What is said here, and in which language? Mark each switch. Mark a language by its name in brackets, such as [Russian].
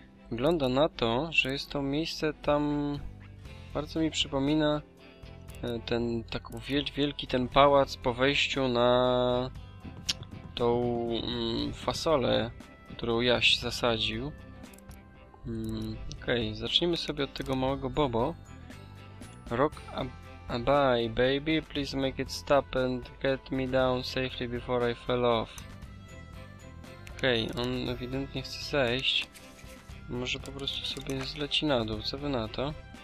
[Polish] Wygląda na to, że jest to miejsce tam. Bardzo mi przypomina ten taki wielki ten pałac po wejściu na tą fasolę, którą Jaś zasadził. Ok, zacznijmy sobie od tego małego Bobo. [English] Rock a bye, baby, please make it stop and get me down safely before I fell off. [Polish] Okej, okay, on ewidentnie chce zejść. Może po prostu sobie zleci na dół, co wy na to?